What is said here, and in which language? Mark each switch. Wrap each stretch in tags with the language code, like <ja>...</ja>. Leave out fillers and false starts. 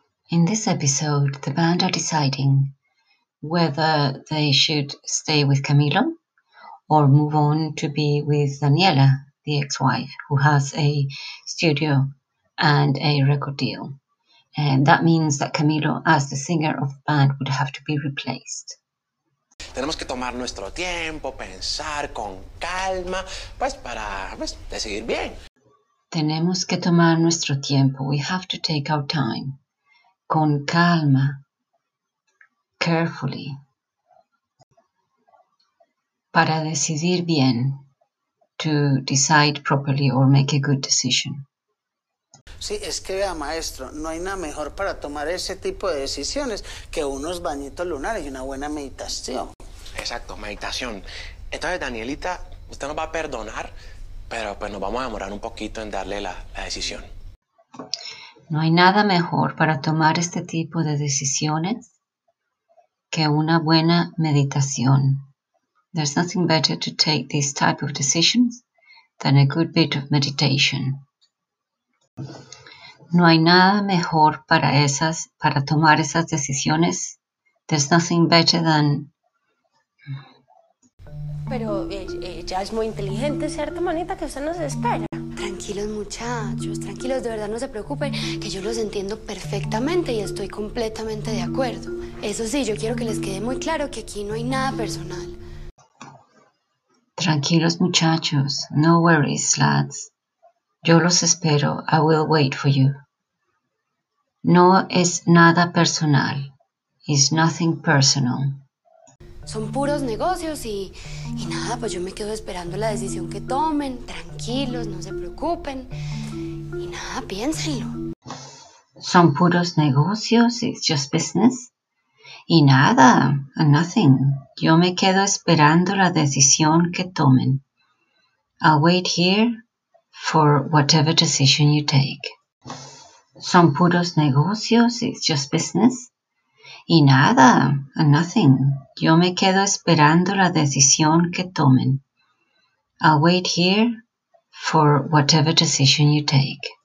<en>In this episode, the band are deciding whether they should stay with Camilo or move on to be with Daniela, the ex-wife, who has a studio and a record deal. And that means that Camilo, as the singer of the band, would have to be replaced.</en> <es>Tenemos que tomar nuestro tiempo, pensar con calma, pues para pues, decidir bien. Tenemos que tomar nuestro tiempo.</es> <en>We have to take our time.</en> <es>Con calma,</es> <en>carefully,</en> <es>para decidir bien,</es> <en>to decide properly or make a good decision.</en> <es>Sí, es que vea, maestro, no hay nada mejor para tomar ese tipo de decisiones que unos bañitos lunares y una buena meditación. Exacto, meditación. Entonces, Danielita, usted nos va a perdonar, pero pues nos vamos a demorar un poquito en darle la decisión. No hay nada mejor para tomar este tipo de decisiones que una buena meditación.</es> <en>There's nothing better to take this type of decisions than a good bit of meditation.</en> <es>No hay nada mejor para tomar esas decisiones.</es> <en>There's nothing better than...</en> <es>Pero ella es muy inteligente, ¿cierto, manita? Que usted nos espera. Tranquilos, muchachos, tranquilos, de verdad no se preocupen, que yo los entiendo perfectamente y estoy completamente de acuerdo. Eso sí, yo quiero que les quede muy claro que aquí no hay nada personal. Tranquilos, muchachos,</es> <en>no worries, lads.</en> <es>Yo los espero,</es> <en>I will wait for you.</en> <es>No es nada personal,</es> <en>it's nothing personal.</en> <es>Son puros negocios y nada, pues yo me quedo esperando la decisión que tomen. Tranquilos, no se preocupen. Y nada, piénsenlo. Son puros negocios,</es> <en>it's just business.</en> <es>Y nada,</es> <en>nothing.</en> <es>Yo me quedo esperando la decisión que tomen.</es> <en>I'll wait here for whatever decision you take.</en> <es>Son puros negocios,</es> <en>it's just business.</en> <es>Y nada,</es> <en>nothing.</en> <es>Yo me quedo esperando la decisión que tomen.</es> <en>I'll wait here for whatever decision you take.</en>